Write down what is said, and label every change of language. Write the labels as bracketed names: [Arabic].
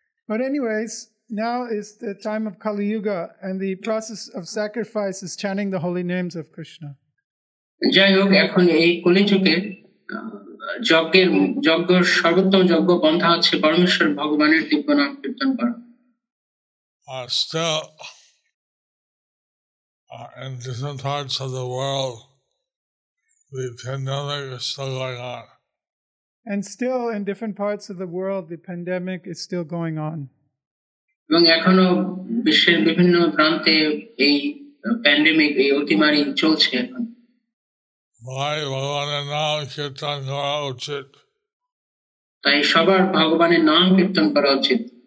[English] But anyways, now is the time of Kali Yuga and the process of sacrifice is chanting the holy names of Krishna. [Bangla] Jai Yog, এখন এই কলিযুগে যজ্ঞের যজ্ঞ সর্বোত্তম যজ্ঞ বন্ধা হচ্ছে পরমেশ্বর ভগবানের দিব্য নাম কীর্তন করা. [English] Still, in different parts of the world, the pandemic is still going on. And still in different parts of the world the pandemic is still going on. [Bangla] এবং এখনো বিশ্বের বিভিন্ন প্রান্তে এই pandemic এই অতিমারি চলছে এখন. ভাই ভগবানের নাম কীর্তন করা উচিত. তাই সবার ভগবানের নাম কীর্তন করা উচিত.